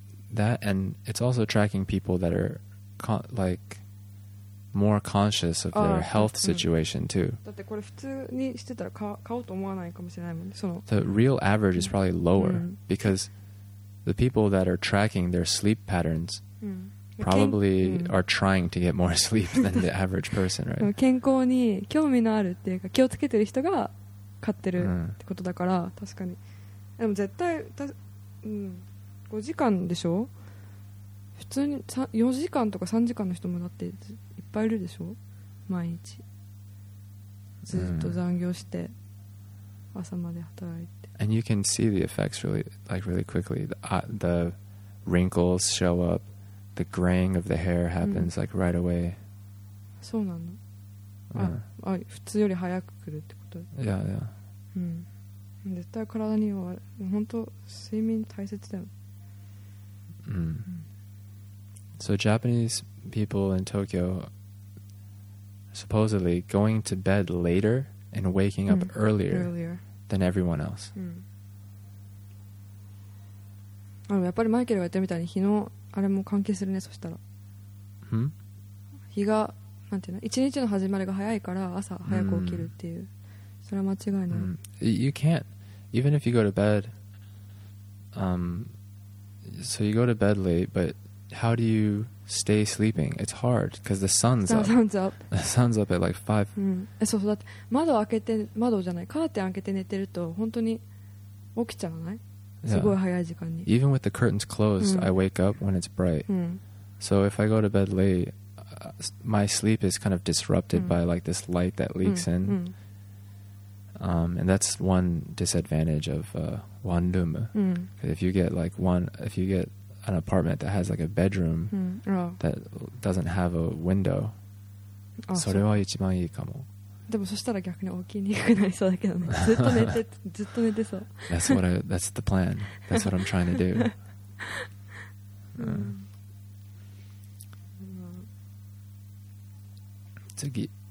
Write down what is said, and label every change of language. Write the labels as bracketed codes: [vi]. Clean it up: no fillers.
[en] That, and it's also tracking people that are like more conscious of their health situation too. The real average is probably lower because the people that are tracking their sleep patterns probably are trying to get more sleep than the average person, right? [ja] 健康に興味のあるっていうか気をつけてる人が買ってるってことだから、確かに。でも絶対、5時間でしょ？普通に4時間とか3時間の人もだっていっぱいいるでしょ？毎日。ずっと残業して朝まで働いて。 [en] And you can see the effects really, like really quickly. The wrinkles show up. The graying of the hair happens like right away. [ja] そうなの。あ、普通より早く来るってこと。 [en] Yeah. [ja] 絶対体には悪い。本当睡眠大切だよ。 [en] So Japanese people in Tokyo supposedly going to bed later and waking up earlier than everyone else. [ja] あのやっぱりマイケルが言ったみたいに日のあれも関係するね。そしたら、日がなんていうの、一日の始まりが早いから朝早く起きるっていう、それは間違いない。 [en] You can't, even if you go to bed, so you go to bed late, but how do you stay sleeping? It's hard because the sun's up. The sun's up at like 5. [ja] そうそう、だって窓開けて、窓じゃない、カーテン開けて寝てると本当に起きちゃわない？ [en] Yeah. Even with the curtains closed, I wake up when it's bright. So if I go to bed late, my sleep is kind of disrupted by like this light that leaks in. And that's one disadvantage of wanrum. If you get like one, if you get an apartment that has like a bedroom that doesn't have a window, [ja] それは一番いいかも。でもそしたら逆に大きいに行くなりそうだけど、ね、ずっと寝て、ずっと寝てそう。 [en] That's what I, that's the plan. That's what I'm trying to do. 、次。